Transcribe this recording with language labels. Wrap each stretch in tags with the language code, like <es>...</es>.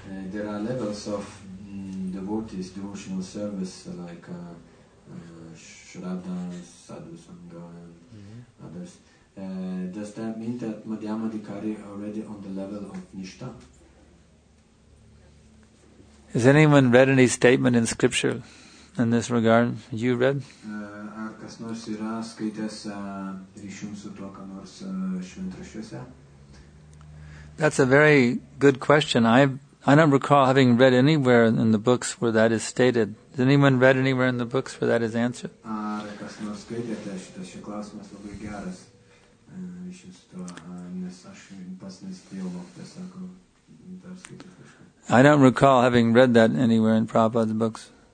<en>There are levels of devotees, devotional service, like Shraddhas, Sadhu Sangha, and others. Does that mean that Madhyama Adhikari already on the level of Nishtha? Has anyone read any statement in scripture in this regard? You read?</en> <lt>Ar kas nors yra skaitęs ryšium su tuo, ką nors šventrašiuose?</lt> <en>That's a very good question. I don't recall having read anywhere in the books where that is stated. Has anyone read anywhere in the books where that is answered? I don't recall having read that anywhere in Prabhupada's books.</en>